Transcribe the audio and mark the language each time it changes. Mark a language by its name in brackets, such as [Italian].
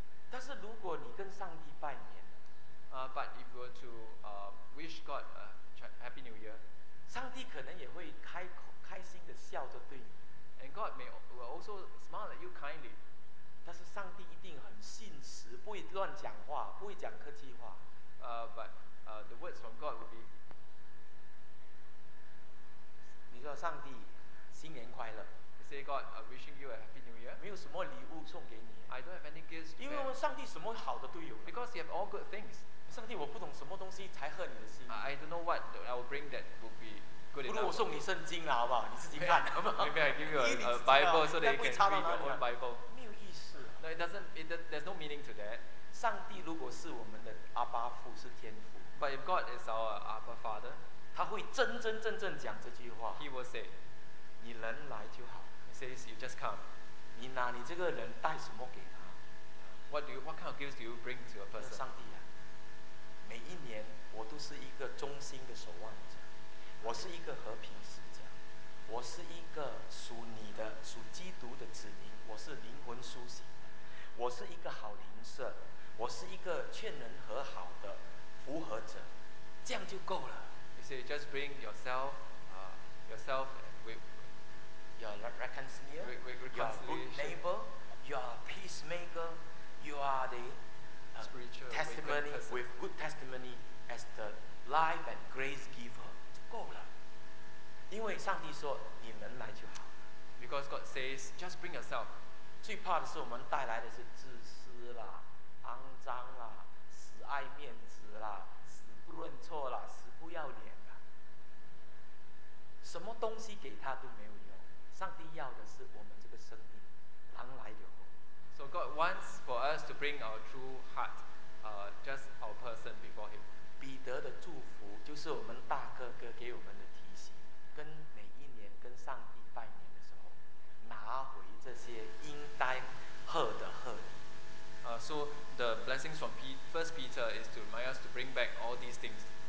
[Chinese] 但是如果你跟上帝拜年 [English] But if you were to wish God a Happy New Year, [Chinese] 上帝可能也会开心的笑着对你。 [English] And God will also smile at you kindly. [Chinese] 但是上帝一定很信实，不会乱讲话，不会讲客气话。 [English] But the words from God will be, [Chinese] 你说上帝，新年快乐。 [English] Say God, wishing you a Happy New Year. [Chinese] 没有什么礼物送给你。 [English] I don't have any gifts. [Chinese] 因为上帝什么好的都有。 [English] Because you have all good things. [Chinese] 上帝，我不懂什么东西才合你的心。 [English] I don't know what I will bring that will be good enough. [Chinese] 不如我送你圣经啦，好不好？你自己看。 [English] Maybe I give you a Bible so that you can read your own Bible. 没有意思。 No, it doesn't. There's no meaning to that. [Chinese] 上帝如果是我们的阿爸父，是天父。 [English] But if God is our Abba Father, [Chinese] 他会真真正正讲这句话。 [English] He will say, [Chinese] 你人来就好。 [English] Says you just come. [Chinese] 你拿你这个人带什么给他？ [English] What kind of gifts do you bring to a person? [Chinese] 上帝啊，每一年我都是一个忠心的守望者，我是一个和平使者，我是一个属你的、属基督的子民，我是灵魂苏醒的，我是一个好邻舍，我是一个劝人和好的符合者，这样就够了。 [English] You say just bring yourself, yourself. You're reconciler, you're a good neighbor, you're a peacemaker, you are the spiritual testimony with good testimony as the life and grace giver. [Chinese] 就够了，因为上帝说你能来就好。 [English] Because God says, just bring yourself. [Chinese] 最怕的是我们带来的是自私啦、肮脏啦、死爱面子啦、死不认错啦、死不要脸啦，什么东西给他都没有。上帝要的是我们这个生命，狼来就好。 [English] So God wants for us to bring our true heart, just our person before Him. [Chinese] 彼得的祝福就是我们大哥哥给我们的提醒，跟每一年跟上帝拜年的时候，拿回这些应该 heard, heard. [English] So the blessings from First Peter is to remind us to bring back all these things.